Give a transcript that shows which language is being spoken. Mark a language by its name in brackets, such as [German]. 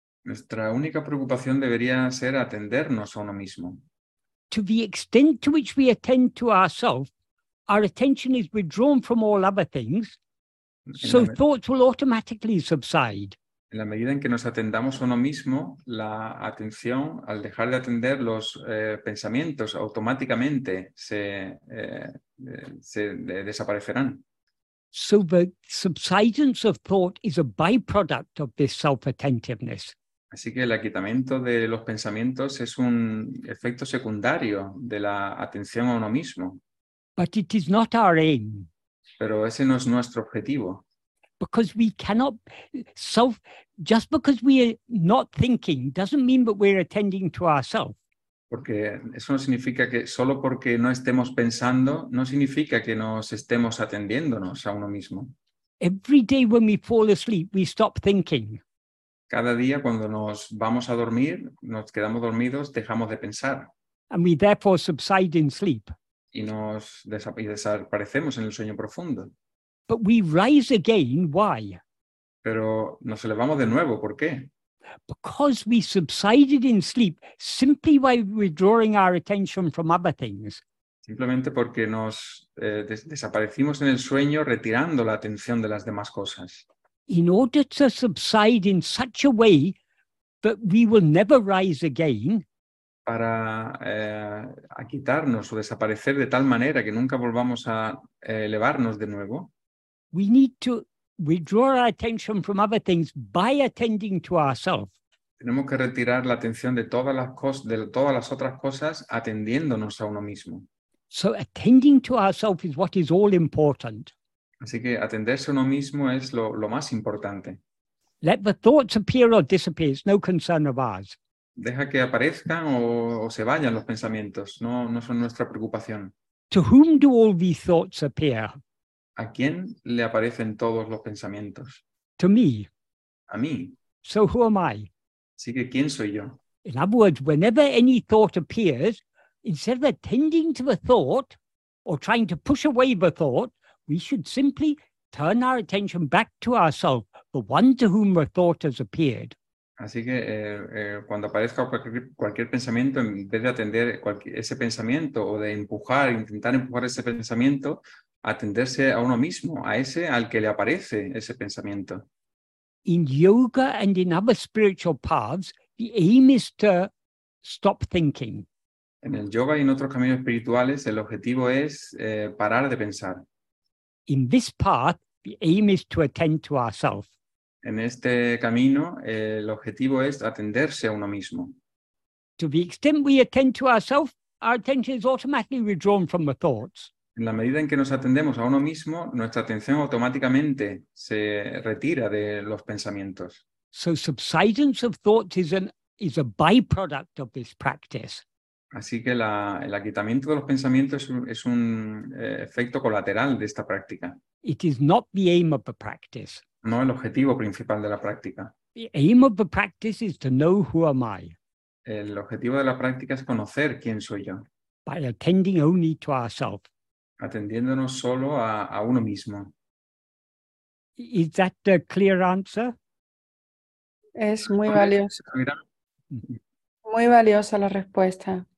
[Spanish] Nuestra única preocupación debería ser atendernos a uno mismo. [English] To the extent to which we attend to ourselves, our attention is withdrawn from all other things, so thoughts will automatically subside. [Spanish] En la medida en que nos atendamos a uno mismo, la atención, al dejar de atender los pensamientos, automáticamente se desaparecerán. [English] So the subsidence of thought is a byproduct of this self-attentiveness. [Spanish] Así que el aquietamiento de los pensamientos es un efecto secundario de la atención a uno mismo. [English] But it is not our aim. [Spanish] Pero ese no es nuestro objetivo. [English] Because we cannot self, just because we are not thinking doesn't mean that we're attending to ourselves. [Spanish] Porque eso no significa que solo porque no estemos pensando no significa que nos estemos atendiéndonos a uno mismo. [English] Every day when we fall asleep, we stop thinking. [Spanish] Cada día cuando nos vamos a dormir, nos quedamos dormidos, dejamos de pensar. [English] And we therefore subside in sleep. [Spanish] Y nos desaparecemos en el sueño profundo. [English] But we rise again, why? [Spanish] Pero nos elevamos de nuevo, ¿por qué? [English] Because we subsided in sleep simply by withdrawing our attention from other things. [Spanish] Simplemente porque nos desaparecimos en el sueño retirando la atención de las demás cosas. [English] in order to subside in such a way that we will never rise again, [Spanish] para quitarnos o desaparecer de tal manera que nunca volvamos a elevarnos de nuevo, [English] we need to withdraw our attention from other things by attending to ourselves. [Spanish] Tenemos que retirar la atención de todas las cosas, de todas las otras cosas, atendiéndonos a uno mismo. [English] So attending to ourselves is what is all important. [Spanish] Así que atenderse a uno mismo es lo más importante. [English] Let the thoughts appear or disappear, it's no concern of ours. [Spanish] Deja que aparezcan o se vayan los pensamientos, no son nuestra preocupación. [English] To whom do all these thoughts appear? [Spanish] ¿A quién le aparecen todos los pensamientos? [English] To me. [Spanish] A mí. [English] So who am I? [Spanish] Así que, ¿quién soy yo? [English] In other words, whenever any thought appears, instead of attending to the thought or trying to push away the thought, we should simply turn our attention back to ourselves, the one to whom the thought has appeared. [Spanish] Así que cuando aparezca cualquier pensamiento, en vez de atender ese pensamiento o de intentar empujar ese pensamiento, atenderse a uno mismo, a ese al que le aparece ese pensamiento. [English] In yoga and in other spiritual paths, the aim is to stop thinking. [Spanish] En el yoga y en otros caminos espirituales, el objetivo es parar de pensar. [English] In this path, the aim is to attend to ourselves. [Spanish] En este camino, el objetivo es atenderse a uno mismo. [English] To the extent we attend to ourselves, our attention is automatically withdrawn from the thoughts. [Spanish] En la medida en que nos atendemos a uno mismo, nuestra atención automáticamente se retira de los pensamientos. [English] So subsidence of thought is a byproduct of this practice. [Spanish] Así que el aquietamiento de los pensamientos es un efecto colateral de esta práctica. [English] It is not the aim of the practice. [Spanish] No el objetivo principal de la práctica. [English] The aim of the practice is to know who am I. [Spanish] El objetivo de la práctica es conocer quién soy yo. [English] By attending only to ourselves. [Spanish] Atendiéndonos solo a uno mismo. [English] Is that a clear answer? [Spanish] Es muy valioso. Muy valiosa la respuesta.